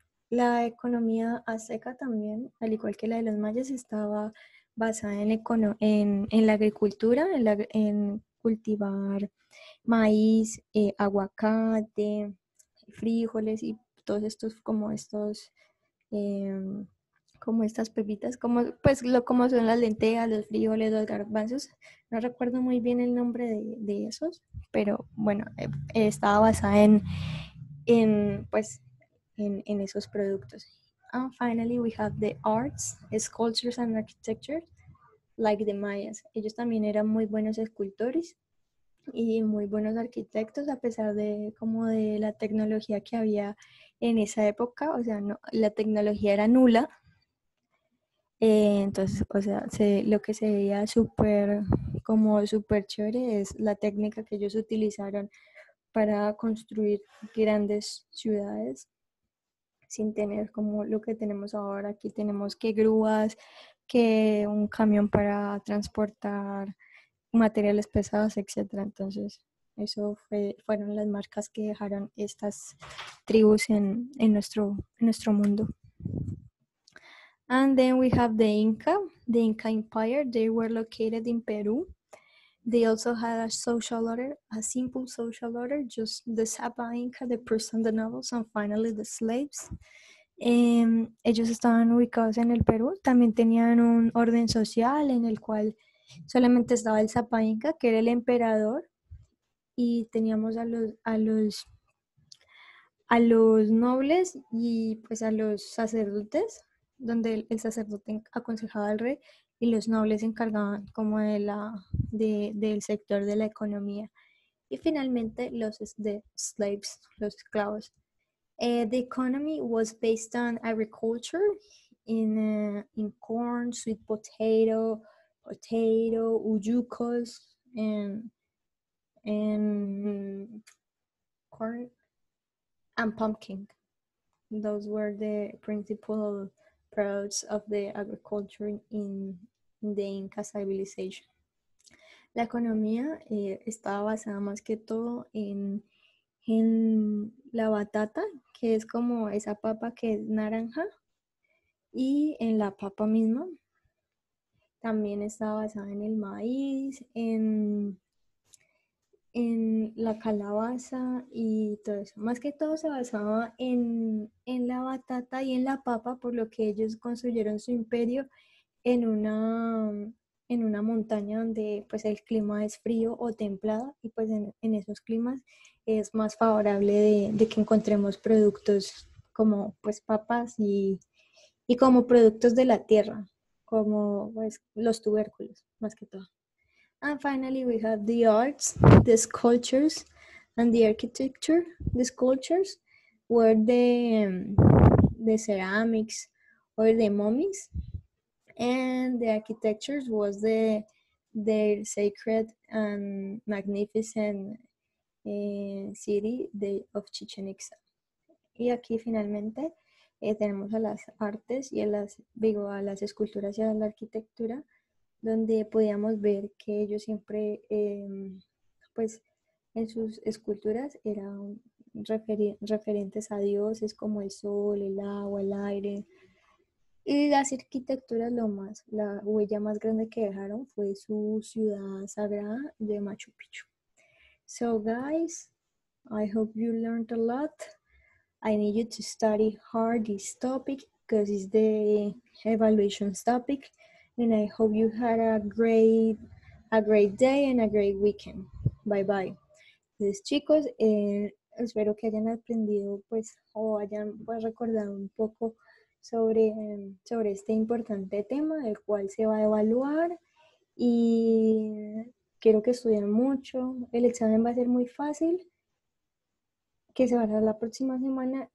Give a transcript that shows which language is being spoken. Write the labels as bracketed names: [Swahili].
[Spanish] La economía azteca también, al igual que la de los mayas, estaba basada en la agricultura, en cultivar maíz, aguacate, frijoles y todos estos, como estas pepitas, como son las lentejas, los frijoles, los garbanzos. No recuerdo muy bien el nombre de esos, pero bueno, estaba basada en esos productos. [English] And finally we have the arts, sculptures and architecture, like the Mayas. [Spanish] Ellos también eran muy buenos escultores y muy buenos arquitectos, a pesar de como de la tecnología que había en esa época. O sea, no, la tecnología era nula. Entonces, o sea, lo que se veía súper chévere es la técnica que ellos utilizaron para construir grandes ciudades, sin tener como lo que tenemos ahora. Aquí tenemos que grúas, que un camión para transportar materiales pesados, etc. Entonces, eso fueron las marcas que dejaron estas tribus en nuestro mundo. [English] And then we have the Inca Empire. They were located in Peru. They also had a social order, a simple social order, just the Sapa Inca, the priests and the nobles, and finally the slaves. [Spanish] Ellos estaban ubicados en el Perú. También tenían un orden social en el cual solamente estaba el Sapa Inca, que era el emperador, y teníamos a los nobles y pues a los sacerdotes, donde el sacerdote aconsejaba al rey y los nobles se encargaban como del sector de la economía, y finalmente los esclavos. [English] The economy was based on agriculture in corn, sweet potato, ujucos, and corn and pumpkin. Those were the principal products of the agriculture in the Inca civilization. [Spanish] La economía estaba basada más que todo en la batata, que es como esa papa que es naranja, y en la papa misma. También estaba basada en el maíz, en la calabaza y todo eso. Más que todo se basaba en la batata y en la papa, por lo que ellos construyeron su imperio en una montaña donde pues el clima es frío o templado, y pues en esos climas es más favorable de que encontremos productos como pues papas y como productos de la tierra, como pues los tubérculos, más que todo. [English] And finally we have the arts, the sculptures and the architecture. The sculptures were the ceramics or the mummies. And the architecture was the sacred and magnificent city of Chichen Itza. [Spanish] Y aquí finalmente tenemos a las artes y a digo, a las esculturas y a la arquitectura, donde podíamos ver que ellos siempre, pues en sus esculturas eran referentes a dioses como el sol, el agua, el aire. Y las arquitecturas, la huella más grande que dejaron fue su ciudad sagrada de Machu Picchu. [English] So, guys, I hope you learned a lot. I need you to study hard this topic because it's the evaluations topic. And I hope you had a great day and a great weekend. Bye bye. [Spanish] Entonces, chicos, espero que hayan aprendido, pues, o hayan, pues, recordado un poco sobre este importante tema del cual se va a evaluar. Y quiero que estudien mucho. El examen va a ser muy fácil, que se va a dar la próxima semana.